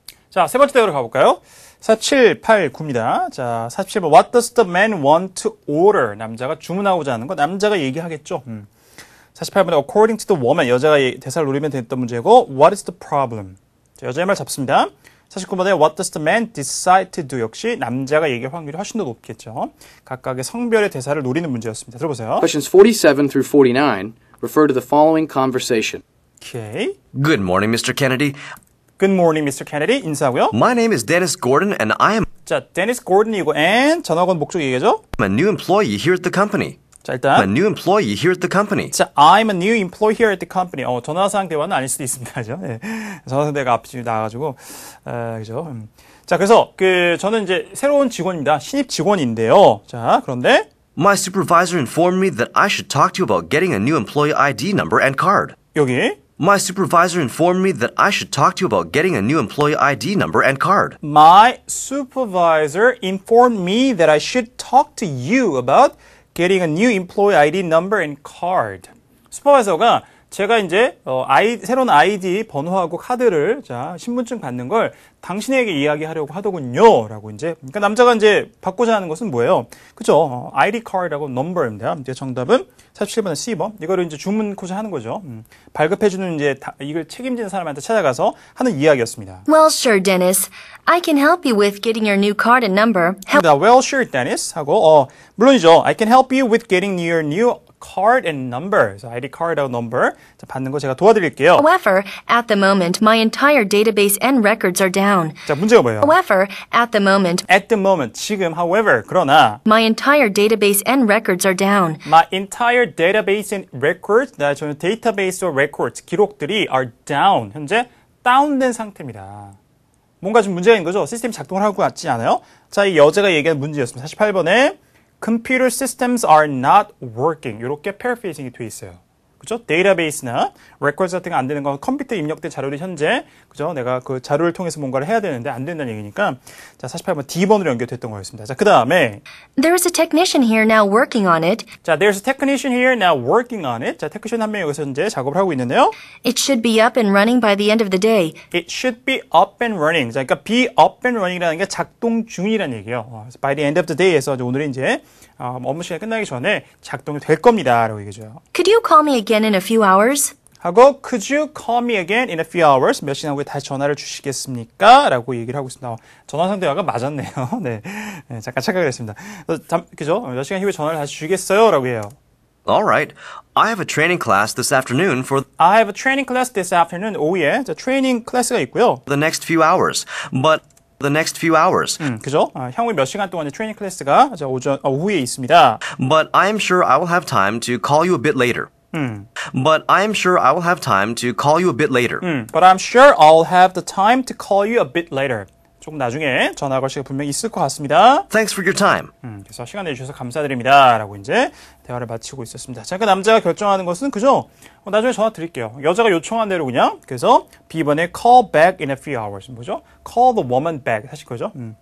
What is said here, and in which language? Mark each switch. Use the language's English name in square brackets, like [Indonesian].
[Korean] 자, 세 번째 대화로 가볼까요? [English] 4789입니다. 자, 47번. What does the man want to order? [Korean] 남자가 주문하고자 하는 거. 남자가 얘기하겠죠. 48번에 [English] according to the woman. [Korean] 여자가 대사를 노리면 됐던 문제고. [English] What is the problem? [Korean] 자, 여자의 말 잡습니다. [English] 49번에 What does the man decide to do? [Korean] 역시 남자가 얘기할 확률이 훨씬 더 높겠죠. 각각의 성별의 대사를 노리는 문제였습니다. 들어보세요. [English] Questions 47 through 49 refer to the following conversation. Okay. Good morning, Mr. Kennedy. Good morning, Mr. Kennedy. [Korean] 인사하고요. [English] My name is Dennis Gordon, and I am... [Korean] 자, Dennis Gordon이고, and 전화건 목적 얘기죠? [English] I'm a new employee here at the company. [Korean] 자, 일단... [English] I'm a new employee here at the company. 자, I'm a new employee here at the company. [Korean] 어, 전화상 대화는 아닐 수도 있습니다. 그죠? 네. 전화상 대화가 앞쪽에 나와가지고, 그죠? 자, 그래서, 저는 이제 새로운 직원입니다. 신입 직원인데요. 자, 그런데... [English] My supervisor informed me that I should talk to you about getting a new employee ID number and card. [Korean] 여기... [English] My supervisor informed me that I should talk to you about getting a new employee ID number and card. My supervisor informed me that I should talk to you about getting a new employee ID number and card. [Korean] 슈퍼바이저가 제가 이제 새로운 ID 번호하고 카드를 자 신분증 받는 걸 당신에게 이야기하려고 하더군요라고 이제 그러니까 남자가 이제 받고자 하는 것은 뭐예요? 그렇죠? ID 카드라고 넘버입니다. 이제 정답은 47번 C번 이거를 이제 주문코자 하는 거죠. 발급해주는 이제 이걸 책임지는 사람한테 찾아가서 하는 이야기였습니다. [English] Well, sure, Dennis. I can help you with getting your new card and number. Well, sure, Dennis. [Korean] 하고 물론이죠. [English] I can help you with getting your new card and number. So ID card or number. [Korean] 자, 받는 거 제가 도와드릴게요. [English] However, at the moment, my entire database and records are down. [Korean] 자, 문제가 뭐예요? [English] However, at the moment. At the moment. [Korean] 지금, [English] however, [Korean] 그러나. [English] My entire database and records are down. My entire database and records. [Korean] 나 저는 [English] database or records. [Korean] 기록들이 [English] are down. [Korean] 현재 다운된 상태입니다. 뭔가 좀 문제가 있는 거죠? 시스템 작동을 하고 같지 않아요? 자, 이 여자가 얘기한 문제였습니다. [English] 48번에. Computer systems are not working. [Korean] 이렇게 paraphrasing이 돼 있어요. 그죠? 데이터베이스나 records 같은 거 안 되는 거, 컴퓨터 입력된 자료를 현재, 그죠? 내가 그 자료를 통해서 뭔가를 해야 되는데 안 된다는 얘기니까. 자, 48번 D번으로 연결됐던 거였습니다. 자, 그 다음에. [English] There is a technician here now working on it. [Korean] 자, [English] there's a technician here now working on it. [Korean] 자, 테크니션 한 명이 여기서 현재 작업을 하고 있는데요. [English] It should be up and running by the end of the day. It should be up and running. [Korean] 자, 그러니까 be up and running이라는 게 작동 중이라는 얘기예요. [English] By the end of the day [Korean] 에서 오늘이 이제 업무 시간 끝나기 전에 작동이 될 겁니다. 라고 얘기해줘요. [English] Could you call me again in a few hours? 하고, could you call me again in a few hours? [Korean] 몇 시간 후에 다시 전화를 주시겠습니까? 라고 얘기를 하고 있습니다. 전화상 대화가 맞았네요. 네. 네 잠깐 착각을 했습니다. 그죠? 몇 시간 후에 전화를 다시 주겠어요? 라고 해요. [English] Alright. I have a training class this afternoon for I have a training class this afternoon. [Korean] 오후에 [English] training class가 있고요. The next few hours. But The next few hours. [Korean] 그죠? 향후 몇 시간 동안의 트레이닝 클래스가 오후에 있습니다. [English] But I'm sure I will have time to call you a bit later. But I'm sure I will have time to call you a bit later. But I'm sure I'll have the time to call you a bit later. [Korean] 조금 나중에 전화 걸 시간 분명히 있을 것 같습니다. [English] Thanks for your time. [Korean] 그래서 시간 내주셔서 감사드립니다. 라고 이제 대화를 마치고 있었습니다. 자, 그 남자가 결정하는 것은 그죠? 나중에 전화 드릴게요. 여자가 요청한 대로 그냥 그래서 B번에 [English] call back in a few hours. [Korean] 뭐죠? [English] Call the woman back. [Korean] 사실 거죠?